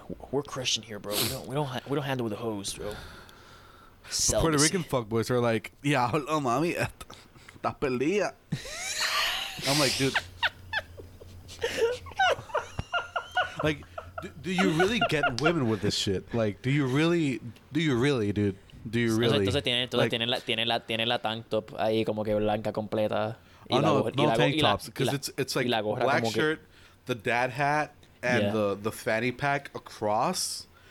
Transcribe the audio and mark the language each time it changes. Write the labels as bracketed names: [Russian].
[English] We're Christian here, bro. We don't handle with the hoes, bro. Puerto Rican fuck boys are like, yeah, hello, mami, [Spanish] esta pelea. [English] I'm like, dude. Like, do you really get women with this shit? Like, do you really, dude? Do you really? [Spanish] Entonces tiene la tank top ahí como que blanca completa. [English] Oh, no, no tank tops. Because it's like black shirt, the dad hat, and the fanny pack across.